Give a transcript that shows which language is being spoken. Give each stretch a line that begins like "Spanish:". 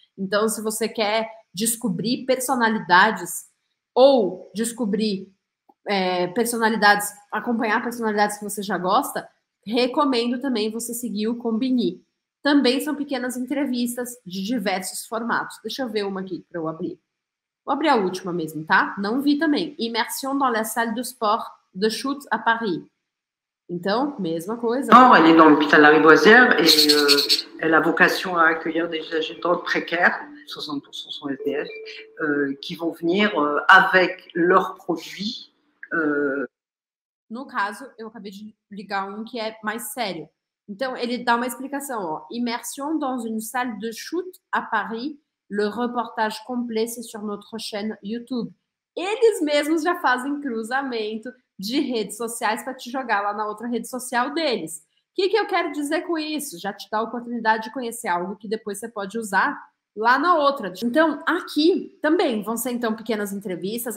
Portuguese: Então, se você quer descobrir personalidades ou descobrir personalidades, acompanhar personalidades que você já gosta, recomendo também você seguir o Combini. Também são pequenas entrevistas de diversos formatos. Deixa eu ver uma aqui para eu abrir. Vou abrir a última mesmo, tá? Não vi também.
French: Immersion dans la salle de sport de chute à Paris.
Portuguese: Então, mesma coisa.
French: Non, elle est dans l'hôpital La Riboisière et elle a vocation à accueillir des agitantes précaires, 60% sont SDF, qui vont venir avec leurs produits.
Portuguese: No caso, eu acabei de ligar um que é mais sério. Então, ele dá uma explicação. Ó.
French: Immersion dans une salle de chute à Paris, le reportage complet c'est sur notre chaîne YouTube.
Portuguese: Eles mesmos já fazem cruzamento de redes sociais para te jogar lá na outra rede social deles. O que, que eu quero dizer com isso? Já te dá a oportunidade de conhecer algo que depois você pode usar lá na outra. Então, aqui também vão ser então pequenas entrevistas.